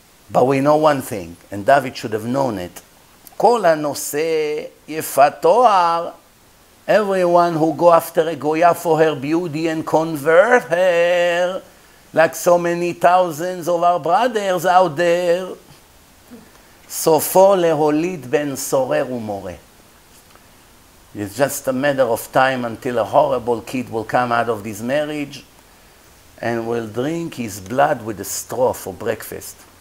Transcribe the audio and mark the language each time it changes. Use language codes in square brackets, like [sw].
[en] But we know one thing, and David should have known it. Kol ha-noseh yifat toar, everyone who go after a goya for her beauty and convert her, like so many thousands of our brothers out there, [he] סופו להוליד בין סורר ומורה. [en] It's just a matter of time until a horrible kid will come out of this marriage and will drink his blood with a straw for breakfast.